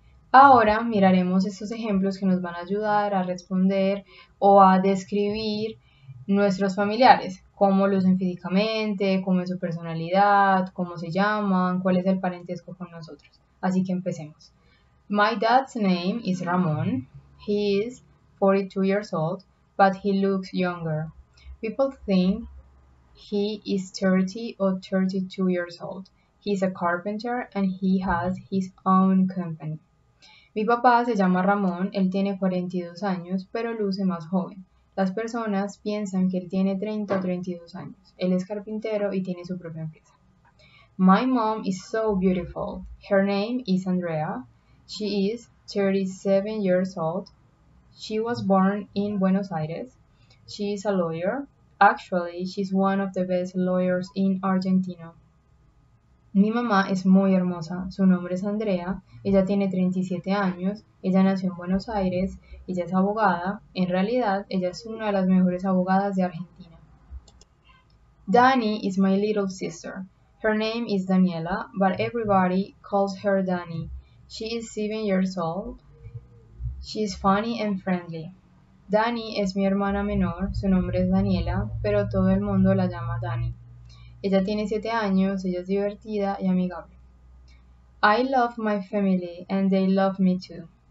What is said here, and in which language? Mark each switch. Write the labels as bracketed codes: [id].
[es] Ahora miraremos estos ejemplos que nos van a ayudar a responder o a describir nuestros familiares, cómo lucen físicamente, cómo es su personalidad, cómo se llaman, cuál es el parentesco con nosotros. Así que empecemos. [en] My dad's name is Ramon. He is 42 years old, but he looks younger. People think he is 30 or 32 years old. He is a carpenter and he has his own company. [es] Mi papá se llama Ramón, él tiene 42 años, pero luce más joven. Las personas piensan que él tiene 30 o 32 años. Él es carpintero y tiene su propia empresa. [en] My mom is so beautiful. Her name is Andrea. She is 37 years old. She was born in Buenos Aires. She is a lawyer. Actually, she's one of the best lawyers in Argentina. [es] Mi mamá es muy hermosa. Su nombre es Andrea. Ella tiene 37 años. Ella nació en Buenos Aires. Ella es abogada. En realidad, ella es una de las mejores abogadas de Argentina. [en] Dani is my little sister. Her name is Daniela, but everybody calls her Dani. She is 7 years old. She is funny and friendly. [es] Dani es mi hermana menor, su nombre es Daniela, pero todo el mundo la llama Dani. Ella tiene 7 años, ella es divertida y amigable. [en] I love my family and they love me too.